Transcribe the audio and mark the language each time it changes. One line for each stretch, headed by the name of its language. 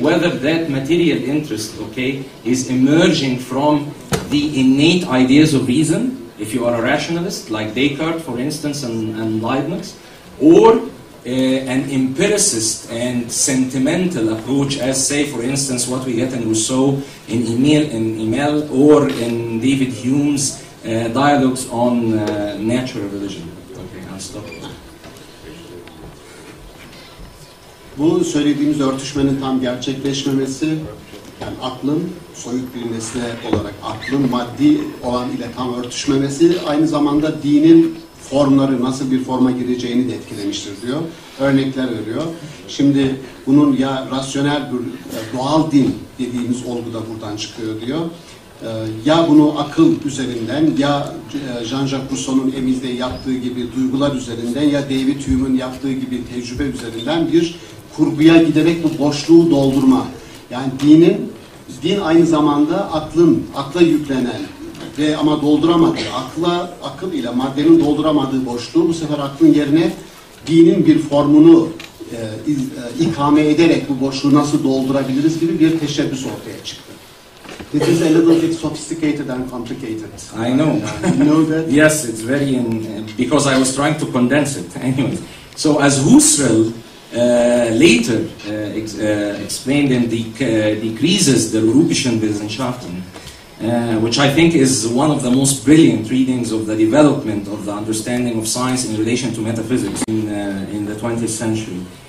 English: Whether that material interest, okay, is emerging from the innate ideas of reason, if you are a rationalist, like Descartes, for instance, and Leibniz, or an empiricist and sentimental approach, as say, for instance, what we get in Rousseau, in Emel, or in David Hume's dialogues on natural religion. Okay, I'll stop.
Turkish: Bu söylediğimiz örtüşmenin tam gerçekleşmemesi, yani aklın soyut bir nesne olarak aklın maddi olan ile tam örtüşmemesi, aynı zamanda dinin formları nasıl bir forma gireceğini de etkilemiştir diyor. Örnekler veriyor. Şimdi bunun ya rasyonel bir doğal din dediğimiz olgu da buradan çıkıyor diyor. ya bunu akıl üzerinden, ya Jean-Jacques Rousseau'nun Emile'de yaptığı gibi duygular üzerinden, ya David Hume'un yaptığı gibi tecrübe üzerinden bir kurguya giderek bu boşluğu doldurma. Yani dinin, din aynı zamanda aklın, akla yüklenen ve ama dolduramadığı, akla, akıl ile maddenin dolduramadığı boşluğu bu sefer aklın yerine dinin bir formunu ikame ederek bu boşluğu nasıl doldurabiliriz gibi bir teşebbüs ortaya çıktı.
English: This is a little bit sophisticated and complicated. I know. You know that? Yes, it's very, because I was trying to condense it. Anyway, so as Husserl later explained in the Krisis der Europäischen Wissenschaften, which I think is one of the most brilliant readings of the development of the understanding of science in relation to metaphysics in the 20th century,